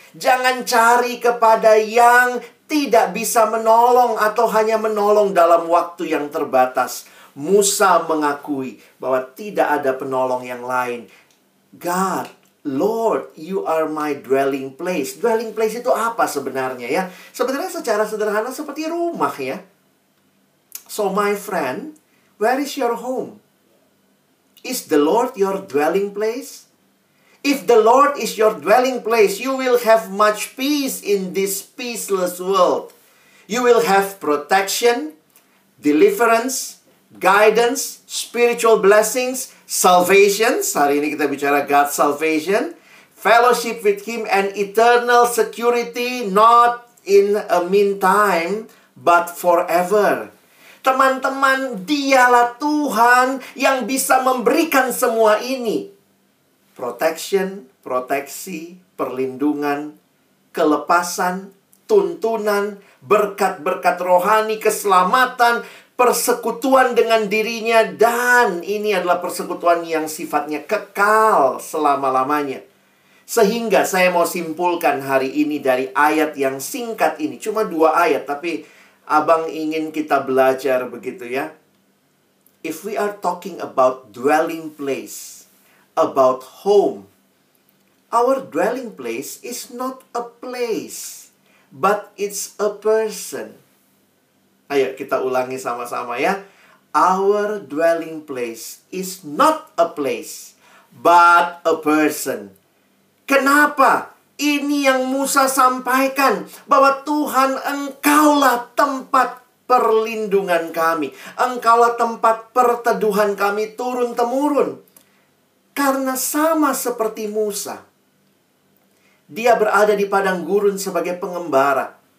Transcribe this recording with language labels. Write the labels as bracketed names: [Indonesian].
[Indonesian] Jangan cari kepada yang tidak bisa menolong atau hanya menolong dalam waktu yang terbatas. Musa mengakui bahwa tidak ada penolong yang lain. [English] God, Lord, you are my dwelling place. [Indonesian] Dwelling place itu apa sebenarnya ya? Sebenarnya secara sederhana seperti rumah ya. [English] So my friend, where is your home? Is the Lord your dwelling place? If the Lord is your dwelling place, you will have much peace in this peaceless world. You will have protection, deliverance, guidance, spiritual blessings, salvation. [Indonesian] Hari ini kita bicara [English] God's salvation. Fellowship with Him and eternal security, not in a meantime, but forever. [Indonesian] Teman-teman, Dialah Tuhan yang bisa memberikan semua ini. Protection, proteksi, perlindungan, kelepasan, tuntunan, berkat-berkat rohani, keselamatan, persekutuan dengan diri-Nya, dan ini adalah persekutuan yang sifatnya kekal selama-lamanya. Sehingga saya mau simpulkan hari ini dari ayat yang singkat ini. Cuma dua ayat, tapi abang ingin kita belajar begitu ya. [English] If we are talking about dwelling place, about home, our dwelling place is not a place, but it's a person. [Indonesian] Ayo kita ulangi sama-sama ya. [English] Our dwelling place is not a place, but a person. [Indonesian] Kenapa? Ini yang Musa sampaikan, bahwa Tuhan, Engkaulah tempat perlindungan kami, Engkaulah tempat perteduhan kami turun-temurun. Karena sama seperti Musa, dia berada di padang gurun sebagai pengembara.